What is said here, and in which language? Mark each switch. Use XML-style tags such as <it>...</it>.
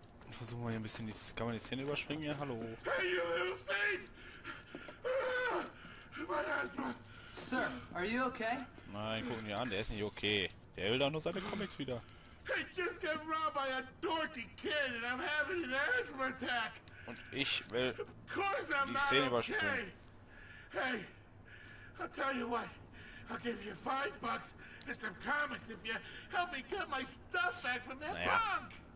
<de>Versuchen wir hier ein bisschen die... Kann man die Szene überspringen hier? Hallo.</de> <en>Hey, you little thief!</en> <de>Mein Asthma!</de> <en>Sir, are you okay?</en> <de>Nein, gucken wir an, der ist nicht okay. Der will doch nur seine Comics wieder.</de> <en>I just got robbed by a dorky kid and I'm having an asthma attack!</en> <de>Und ich will die Szene überspringen.</de> <en>Hey, I'll tell you what. I'll give you $5 and some comics if you help me get my stuff back from that punk!</en>